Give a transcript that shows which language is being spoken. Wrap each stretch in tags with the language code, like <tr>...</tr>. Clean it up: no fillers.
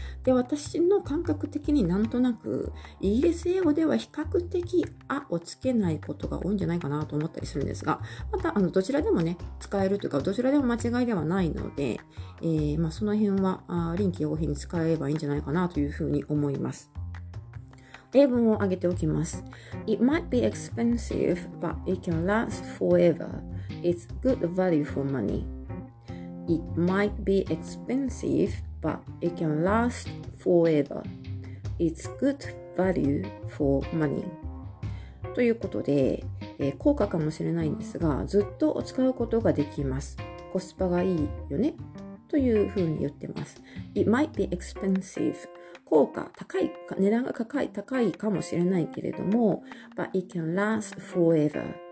<ja>で、私の感覚的になんとなく、イギリス英語では比較的あをつけないことが多いんじゃないかなと思ったりするんですが、またどちらでもね、使えるというか、どちらでも間違いではないので、その辺は臨機応変に使えればいいんじゃないかなというふうに思います。英文を挙げておきます。</ja> <en>It might be expensive, but it can last forever. It's good value for money. It might be expensive, but it can last forever. It's good value for money.</en> <ja>ということで、高価かもしれないんですが、ずっと使うことができます。コスパがいいよね、というふうに言ってます。</ja> <en>It might be expensive.</en> <ja>高価、高い、値段が高いかもしれないけれども、</ja> <en>but it can last forever.</en>